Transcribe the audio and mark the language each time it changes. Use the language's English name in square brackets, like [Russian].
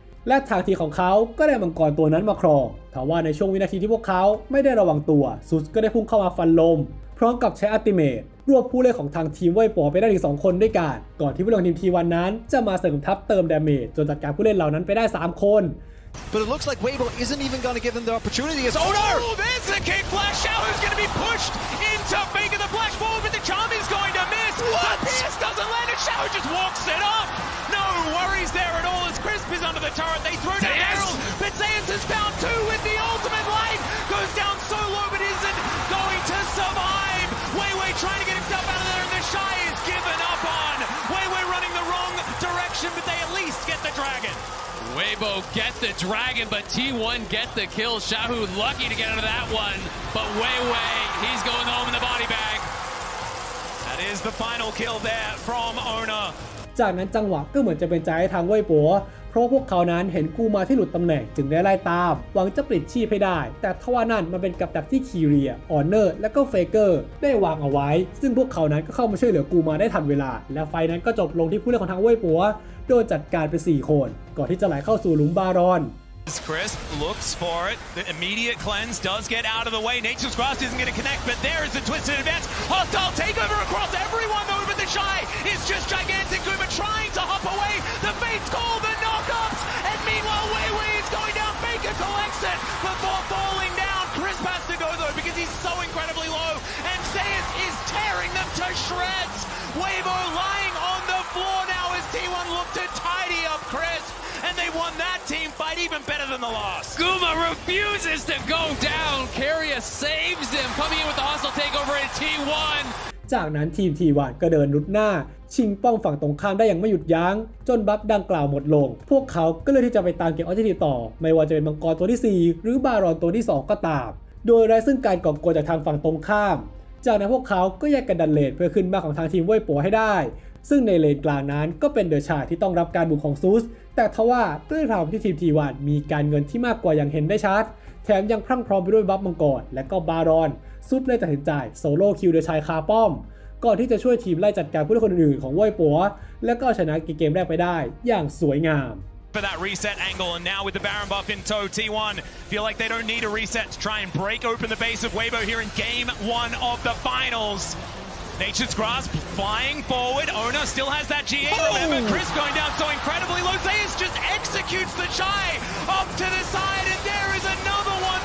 [Thai] และทางทีของเขาก็ได้มังกรตัวนั้นมาครองทว่าในช่วงวินาทีที่พวกเขาไม่ได้ระวังตัวซุสก็ได้พุ่งเข้ามาฟันลมพร้อมกับใช้อัลติเมทรวบผู้เล่นของทางทีมไว้ป๋อไปได้ถึง2คนด้วยกันก่อนที่ผู้เล่นทีมT1นั้นจะมาเสริมทัพเติมดาเมจจนจัดการผู้เล่นเหล่านั้นไปได้3คน [English] But it looks like Weibo isn't even going to give them the opportunity as Owner! Oh, there's the kick flash out! Who's going to be pushed into Faker? The flash forward, but the charm is going to miss! What? The pierce doesn't land, and Shao just walks it up! No worries there at all as Crisp is under the turret. They throw to Harold, but Zayas is found too with the ultimate light! Goes down so low, but isn't going to survive! Weiwei trying to get himself out of there, and the Shy is given up on! Weiwei running the wrong direction, but they at least get the dragon! Weibo get the dragon, but T1 get the kill. Shahu lucky to get out of that one, but Weiwei, he's going home in the body bag. That is the final kill there from Ona. [Thai] จากนั้นจังหวะก็เหมือนจะเป็นใจให้ทางเว่ยปัวเพราะพวกเขานั้นเห็นกูมาที่หลุดตำแหน่งจึงได้ไล่ตามหวังจะปลิดชีพให้ได้แต่ทว่านั่นมันเป็นกับดักที่คีเรียออนเนอร์และก็เฟเกอร์ได้วางเอาไว้ซึ่งพวกเขานั้นก็เข้ามาช่วยเหลือกูมาได้ทันเวลาและไฟนั้นก็จบลงที่ผู้เล่นของทางเว่ยปัวโดนจัดการไป4คนก่อนที่จะไหลเข้าสู่หลุมบารอน [English] Crisp looks for it. The immediate cleanse does get out of the way. Nature's Grasp isn't going to connect, but there is a twisted advance. Hostile takeover across everyone, though, but the Shy is just gigantic. Guma trying to hop away. The Fates call the knockups. And meanwhile, Weiwei is going down. Faker collects it before falling down. Crisp has to go, though, because he's so incredibly low. And Zayas is tearing them to shreds. Weibo lying on the floor now as T1 look to tidy up Crisp. And they won that team fight even better than the loss. Guma refuses to go down. Caria saves him, coming in with the hustle takeover in T1. [Thai] จากนั้นทีม T1 ก็เดินรุดหน้าชิงป้องฝั่งตรงข้ามได้อย่างไม่หยุดยั้งจนบัฟดังกล่าวหมดลงพวกเขาก็เลยที่จะไปตามเก็บออบเจคทีฟต่อไม่ว่าจะเป็นมังกรตัวที่4หรือบารอนตัวที่2ก็ตามโดยไร้ซึ่งการก่อกวนจากทางฝั่งตรงข้ามจากนั้นพวกเขาก็แยกกันดันเลนเพื่อขึ้นบ้านของทางทีมเว่ยปัวให้ได้ ซึ่งในเลนกลางนั้นก็เป็นเดอะชาร์ที่ต้องรับการบุกของซูสแต่ทว่าด้วยความที่ทีม T1 มีการเงินที่มากกว่าอย่างเห็นได้ชัดแถมยังพรั่งพร้อมไปด้วยบัฟมังกรและก็บารอนซูสเลยตัดสินใจโซโล่คิวเดอะชาร์คาป้อมก่อนที่จะช่วยทีมไล่จัดการผู้เล่นคนอื่นของเว่ยปัวและก็ชนะเกมแรกไปได้อย่างสวยงาม [English] For that reset angle, and now with the Baron buff in tow, T1 feel like they don't need a reset to try and break open the base of Weibo here in game one of the finals. Nature's Grasp flying forward. Ona still has that GA. Oh! Remember, Chris going down so incredibly low. Zayas just executes the Chai up to the side, and there is another one.